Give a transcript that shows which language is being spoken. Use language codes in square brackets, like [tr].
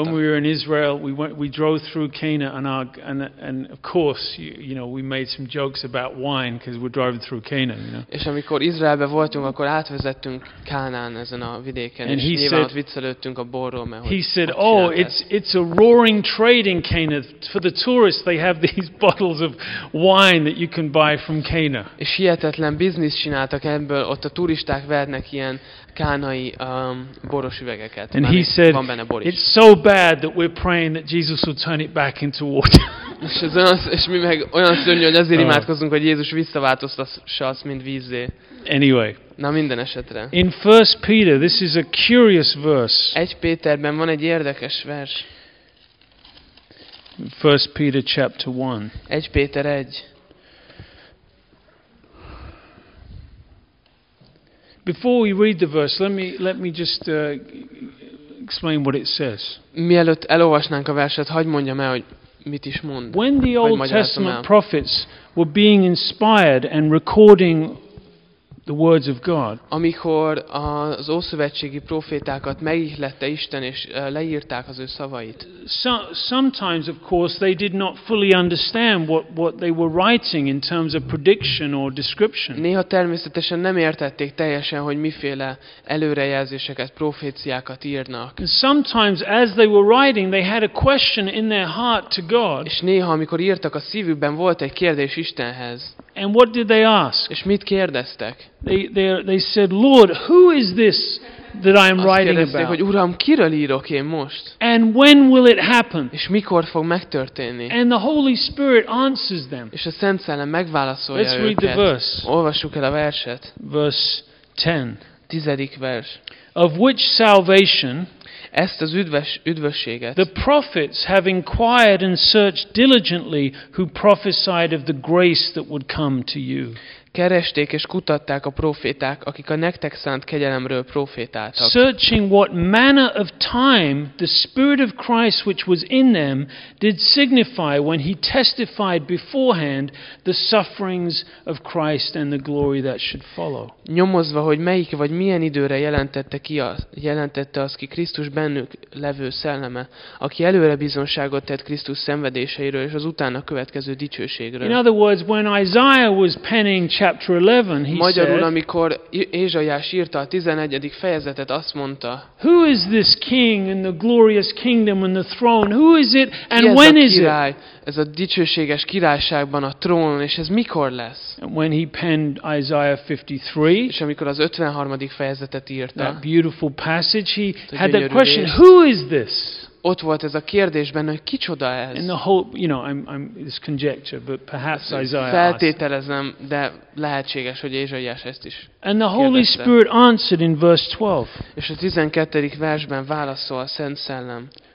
[en] When we were in Israel, we drove through Cana, and of course, you know, we made some jokes about wine because we're driving through Cana, you know. [hu] És amikor Izraelben voltunk, akkor átvezettünk Kánán ezen a vidéken, [en] and [hu] és nyilván viccelődtünk a borról, mert [en] he said, "Oh, it's a roaring trade in Cana for the tourists. They have these bottles of wine that you can buy from Cana." [hu] És hihetetlen biznisz csináltak ebből, ott a turisták vernek ilyen kánai boros üvegeket. [en] And [hu] már [en] he said, [hu] van benne bor is. [en] It's so bad that we're praying that Jesus will turn it back into water. [hu] És mi meg olyan szörnyű, hogy azért imádkozunk, hogy Jézus visszaváltoztassa azt, mint vízzé. [en] Anyway. [hu] Na minden esetre. [en] In 1 Peter, this is a curious verse. [hu] 1 Péterben van egy érdekes vers. [en] 1 Peter chapter 1. [hu] 1 Péter 1. [en] Before we read the verse, let me just explain what it says. [hu] Mielőtt elolvasnánk a verset, hagyd mondjam el, hogy mit is mond. [en] When the Old Testament prophets were being inspired and recording the words of God. [hu] Amikor az ószövetségi prófétákat megihlette Isten, és leírták az ő szavait. [en] Sometimes of course they did not fully understand what they were writing in terms of prediction or description. [hu] Néha természetesen nem értették teljesen, hogy miféle előrejelzéseket, proféciákat írnak. [en] Sometimes as they were writing they had a question in their heart to God. [hu] És néha amikor írtak, a szívükben volt egy kérdés Istenhez. [en] And what did they ask? [hu] És mit kérdeztek? [en] They said, "Lord, who is this that I am writing about?" [hu] Hogy Uram, kiről írok én most? [en] And when will it happen? [hu] És mikor fog megtörténni? [en] And the Holy Spirit answers them. [hu] És a Szent Szellem megválaszolja őket. [en] Let's read the verse. [hu] Olvassuk el a verset. [en] Verse 10. [hu] Tizedik vers. [en] Of which salvation? [hu] Ezt az üdvösséget. [en] The prophets have inquired and searched diligently who prophesied of the grace that would come to you. [hu] Keresték és kutatták a proféták, akik a nektek szánt kegyelemről profétáltak. [en] Searching what manner of time the Spirit of Christ which was in them did signify when he testified beforehand the sufferings of Christ and the glory that should follow. [hu] Nyomozva, hogy melyik vagy milyen időre jelentette az ki Krisztus bennük levő szelleme, aki előre bizonságot tett Krisztus szenvedéseiről és az utána következő dicsőségről. [en] In other words, when Isaiah was penning chapter 11, he [hu] magyarul, amikor Ézsaiás írta a 11. fejezetet, azt mondta, [en] who is this king and the glorious kingdom and the throne? Who is it and when is it? [hu] Ez a dicsőséges királyságban a trón, és ez mikor lesz? [en] When he penned Isaiah 53, [hu] és amikor az 53. fejezetet írta, [en] that beautiful passage, he had that question, who is this? [hu] Ott volt ez a kérdésben, hogy kicsoda ez? [en] In the whole, you know, I'm this conjecture, but perhaps Isaiah. [hu] Feltételezem, de lehetséges, hogy Ézsaiás ezt is. [en] And the Holy Spirit answered in verse 12. [hu] És a 12. versben válaszol a Szent Szellem.